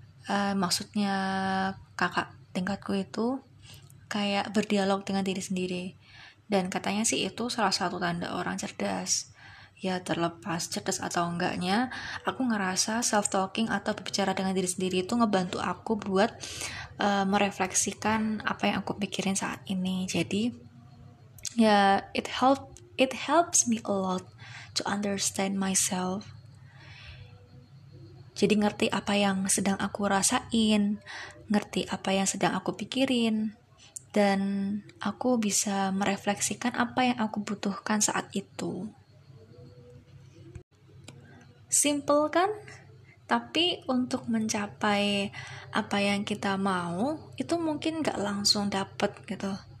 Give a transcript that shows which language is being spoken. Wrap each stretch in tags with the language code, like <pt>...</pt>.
<id>Maksudnya kakak tingkatku itu kayak berdialog dengan diri sendiri. Dan katanya sih itu salah satu tanda orang cerdas. Ya, terlepas cerdas atau enggaknya, aku ngerasa self-talking atau berbicara dengan diri sendiri itu ngebantu aku buat merefleksikan apa yang aku pikirin saat ini. Jadi, ya,</id> <en>it helps me a lot to understand myself.</en> <id>Jadi, ngerti apa yang sedang aku rasain, ngerti apa yang sedang aku pikirin, dan aku bisa merefleksikan apa yang aku butuhkan saat itu. Simple kan? Tapi untuk mencapai apa yang kita mau, itu mungkin gak langsung dapet gitu.</id>